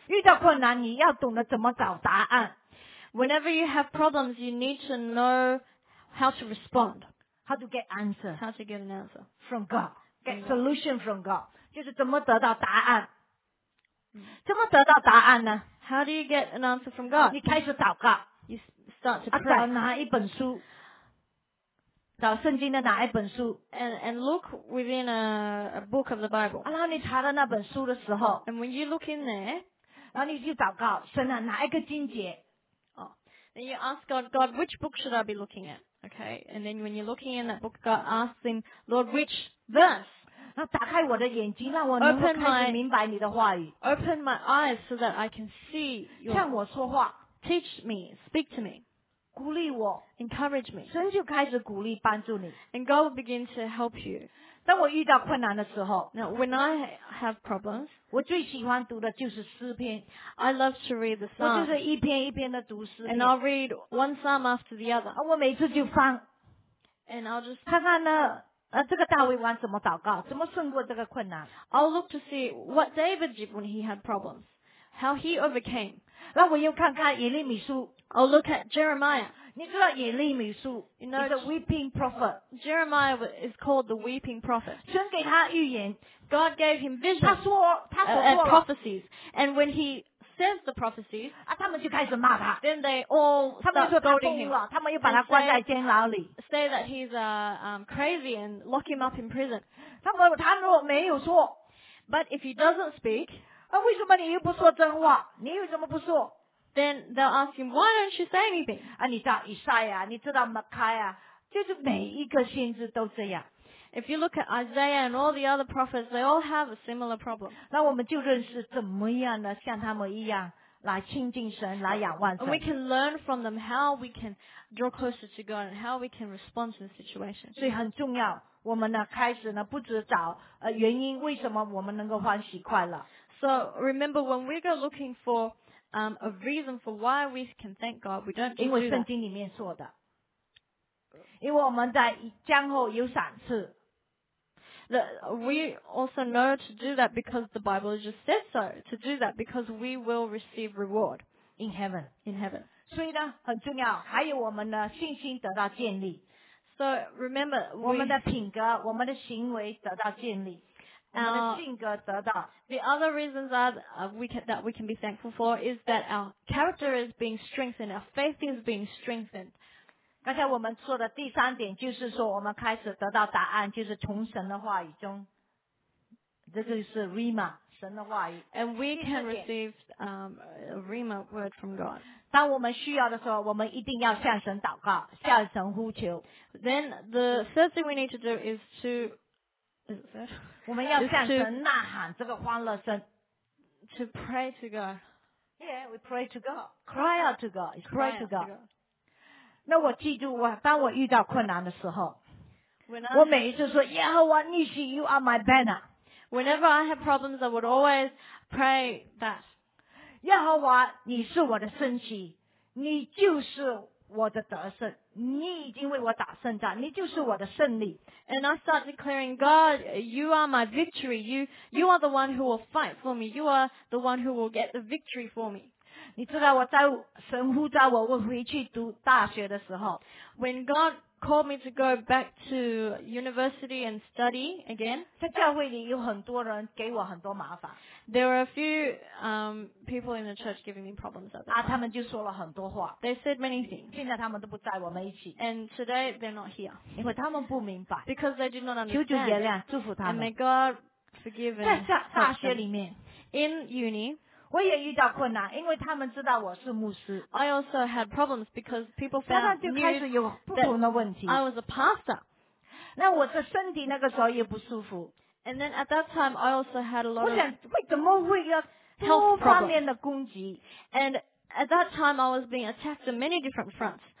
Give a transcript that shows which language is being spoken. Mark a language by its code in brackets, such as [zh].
[zh] 遇到困难你要懂得怎么找答案 [en] ，whenever you have problems， you need to know how to respond， how to get answer， how to get an answer from God， get solution from God。 [zh] 就是怎么得到答案？怎么得到答案呢 [en] ？How do you get an answer from God？ [zh] 你开始祷告 [en] ，You start to pray。 [zh] 找哪一本书？找圣经的哪一本书 [en] ？And look within a book of the Bible。 [zh] 然后你查到那本书的时候 [en] ，And when you look in there， [zh] 然后你就祷告，神啊，哪一个经节？ [en] Then you ask God, God, which book should I be looking at？ Okay， and then when you're looking in that book， God asks him， Lord， which verse？ [zh] 那打开我的眼睛，让我能够开始明白你的话语。 [en] Open my eyes so that I can see you. [zh] 向我说话。 [en] Teach me, speak to me. [zh] 鼓励我。 [en] Encourage me. [zh] 神就开始鼓励帮助你。 [en] And God will begin to help you. [zh] 当我遇到困难的时候。 [en] Now, when I have problems, [zh] 我最喜欢读的就是诗篇。 [en] I love to read the Psalms. [zh] 我就是一篇一篇的读诗篇。 [en] And I'll read one Psalm after the other. [zh] 我每次就翻。 [en] And I'll just [zh] 看看呢。这个大卫王怎么祷告？怎么胜过这个困难 [en] ？I'll look to see what David did when he had problems, how he overcame. [zh] 那我又看看耶利米书。 [en] I'll look at Jeremiah. [zh] 你知道耶利米书 [en] ？You know, the weeping prophet. Jeremiah is called the weeping prophet. [zh] 神给他预言 [en] ，God gave him vision. [zh] 他所说 [en] and prophecies. And when he says the prophecies, [zh] 他们就开始骂他。 [en] Then they all start scolding him. [zh] 他们又把他关在监牢里。 [en] Say that he's crazy and lock him up in prison. [zh] 他如果没有说 [en] ，But if he doesn't speak, [zh] 为什么你又不说真话？你又怎么不说 [en] ？Then they'll ask him, why don't you say anything? [zh] 你知道以赛亚，你知道马开亚，就是每一个先知都这样。 [en] If you look at Isaiah and all the other prophets, they all have a similar problem. [zh] 那我们就认识怎么样呢？像他们一样来亲近神，来仰望神。 [en] And we can learn from them how we can draw closer to God and how we can respond to the situation. [zh] 所以很重要，我们呢开始呢不只找原因，为什么我们能够欢喜快乐。 [en] So remember, when we go looking for a reason for why we can thank God, we don't. [zh] 因为圣经里面说的。因为我们在将后有赏赐。 [en] We also know to do that because the Bible just said so. To do that because we will receive reward in heaven. In heaven. [zh] 所以呢，很重要。还有我们的信心得到建立。 [en] So remember, [zh] 我们的品格、我们的行为得到建立。我们的性格得到。 [en] The other reasons are that we can be thankful for is that our character is being strengthened, our faith is being strengthened. [zh] 刚才我们说的第三点就是说，我们开始得到答案，就是从神的话语中这个是 Rhema 神的话语。 [en] And we can receive Rhema word from God. [zh] 当我们需要的时候，我们一定要向神祷告，向神呼求。 [en] Then the first thing we need to do is to [zh] 我们要向神呐喊这个欢乐声。 [en] To pray to God. Yeah, we pray to God. Cry out to God. Cry to God. [zh] 那我记住，我当我遇到困难的时候。我每一次说 [en] Yehovah Nissi, you are my banner. Whenever I have problems, I would always pray that. [zh] Yehovah, 你是我的生机，你就是我的得胜，你已经为我打胜仗，你就是我的胜利。 [en] And I start declaring, God, you are my victory. You are the one who will fight for me. You are the one who will get the victory for me. [zh] 你知道我在神呼召我回去读大学的时候 [en] ，When God called me to go back to university and study again. [zh] 在教会里有很多人给我很多麻烦。 [en] There were a few people in the church giving me problems. [zh] 啊，他们就说了很多话。 [en] They said many things. [zh] 现在他们都不在我们一起。 [en] And today they're not here. [zh] 因为他们不明白。 [en] Because they did not understand. [zh] 求主原谅，祝福他们。 [en] And may God forgive them. [zh] 在大学里面 [en] ，in uni. [zh] 我也遇到困难，因为他们知道我是牧师。 [en] I also had problems because people found out. [zh] 就开始有不同的问题。 [en] I was a pastor. [zh] 那我的身体那个时候也不舒服。 [en] And then at that time, I also had a lot of. [zh] 我想，为什么会有多方面的攻击 [en] ？And at that time, I was being attacked on many different fronts.